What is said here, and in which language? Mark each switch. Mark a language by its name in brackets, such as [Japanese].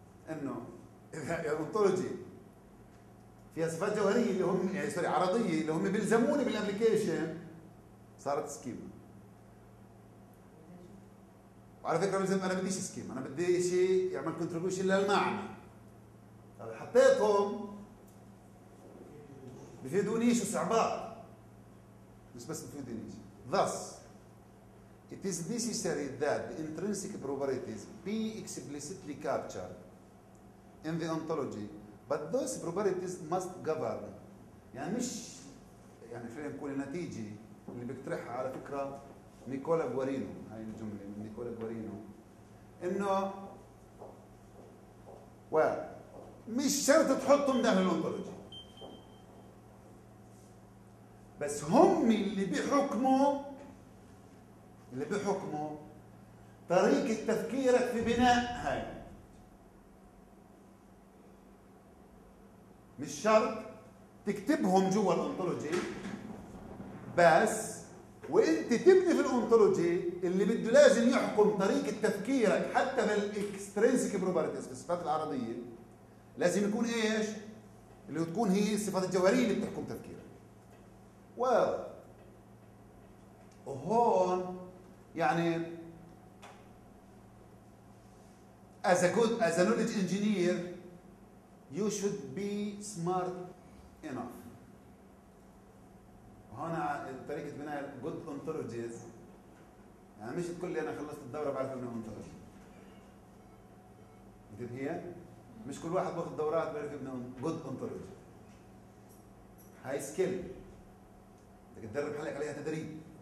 [Arabic] انه اذا الانطولوجي فيها صفات جوهرية اللي هم سوري عرضية اللي هم بيلزموني بالابليكيشن صارت سكيما. وعلى فكرة مثلاً أنا بديش سكيم، أنا بدي شيء يعمل كونتريبيوشن للمعنى. طب حطيتهم بفيدونيش وصعباء، مش بس بفيدونيش. [English] Thus it is necessary that the intrinsic properties be explicitly captured in the ontology, but those properties must govern. [Arabic] يعني مش يعني فعلاً نقول النتيجة اللي بيقترحها على فكرة نيكولا غوارينو، هاي الجملة من نيكولا غوارينو، إنه مش شرط تحطهم داخل الأنطولوجي، بس هم اللي بيحكموا طريقة تفكيرك في بناء هاي. مش شرط تكتبهم جوا الأنطولوجي، بس وانت تبني في الانطولوجي اللي بده لازم يحكم طريقة تفكيرك حتى بالإكسترينسيك بروبرتيز بالصفات العرضية لازم يكون ايش؟ اللي تكون هي الصفات الجوهرية اللي بتحكم تفكيرك. وهون يعني [English] as a good as a knowledge engineer you should be smart enough. [Arabic] هنا طريقة بناء [English] good ontologies [Arabic] يعني مش تقول لي أنا خلصت الدورة بعرف أبني ontology. مثل هي مش كل واحد باخذ دورات بعرف أبني [English] good ontology. [Arabic] هاي skill بدك تدرب حالك عليها تدريب.